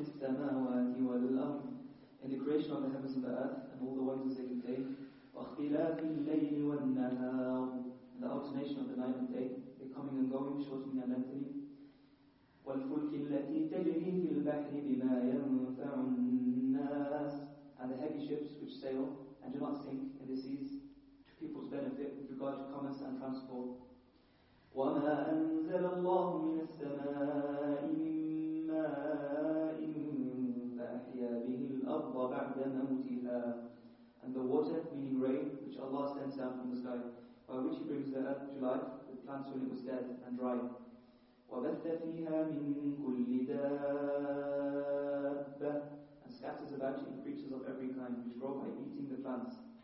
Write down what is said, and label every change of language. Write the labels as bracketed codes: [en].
[en] In the creation of the heavens and the earth, and all the ones that they contain, the alternation of the night and day, the coming and going, shortening and lengthening. [ar] والفلك التي تجري في البحر بما ينفع الناس. [en] And the heavy ships which sail and do not sink in the seas to people's benefit with regard to commerce and transport. [ar] وما أنزل الله من السماء من ماء فأحيا به الأرض بعد موتها. [en] And the water, meaning rain, which Allah sends down from the sky, by which He brings the earth to life, the plants when it was dead and dry. [ar] وَبَثَّ فِيهَا مِن كُلِّ دَابَّةٍ. [en] And scatters about in creatures of every kind, which grow by eating the plants.